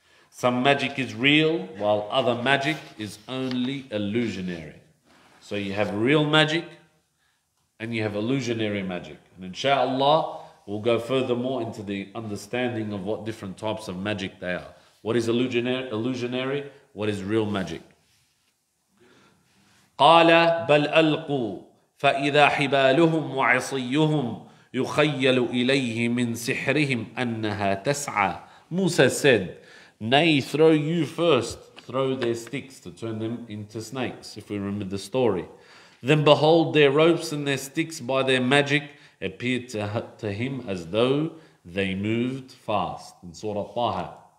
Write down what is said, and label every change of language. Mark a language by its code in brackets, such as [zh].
[en] Some magic is real, while other magic is only illusionary. So you have real magic and you have illusionary magic. And inshallah, we'll go furthermore into the understanding of what different types of magic they are. What is illusionary? What is real magic? [ar] قال بل ألقوا فإذا حبالهم وعصيهم يخيل إليه من سحرهم أنها تسعى. [en] Musa said, nay, throw you first, throw their sticks to turn them into snakes, if we remember the story. Then behold, their ropes and their sticks by their magic appeared to him as though they moved fast. In Surah Taha.